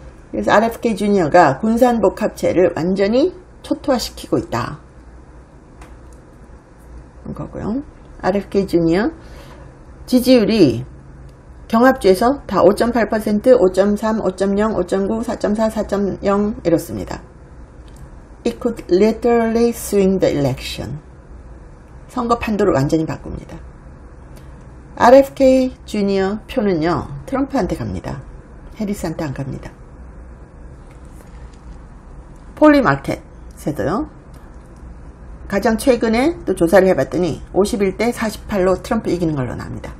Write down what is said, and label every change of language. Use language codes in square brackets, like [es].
[ko] 그래서 RFK 주니어가 군산복합체를 완전히 초토화시키고 있다. 거고요. RFK 주니어 지지율이 경합주에서 다 5.8%, 5.3, 5.0, 5.9, 4.4, 4.0 이렇습니다. [en] It could literally swing the election. [ko] 선거 판도를 완전히 바꿉니다. RFK 주니어 표는요 트럼프한테 갑니다. 해리스한테 안 갑니다. 폴리마켓에서도요 가장 최근에 또 조사를 해봤더니 51대 48로 트럼프 이기는 걸로 나옵니다.